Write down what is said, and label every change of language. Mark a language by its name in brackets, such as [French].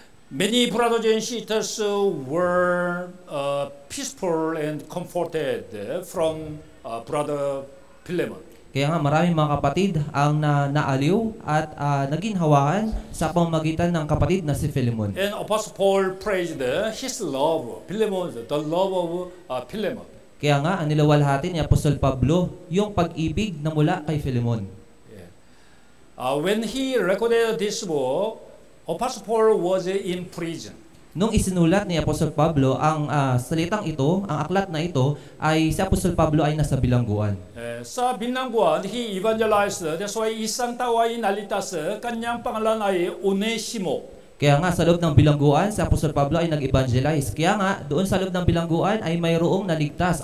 [English] Many brothers and sisters were peaceful and comforted from brother Philemon. [Filipino] Kaya nga maraming mga kapatid ang naaliw at naging hawahan sa pamamagitan ng kapatid na si Philemon. [English] And Apostle Paul praised his love, Philemon, the love of Philemon. [Filipino] Kaya nga ang nilawalhati ni Apostle Pablo yung pag-ibig na mula kay Philemon. [English] Yeah. When he recorded this book, Apostle Paul was in prison. [Filipino] Nung isinulat ni Apostle Pablo ang salitang ito, ang aklat na ito, ay si Apostle Pablo ay nasa bilangguan. Sa bilangguan, [English] he evangelized. That's why [Filipino] isang tao ay nalitas. Kanyang pangalan ay Onesimo. Kaya nga sa loob ng bilangguan, si Apostle Pablo ay nag-evangelize. Kaya nga doon sa loob ng bilangguan ay mayroong naligtas.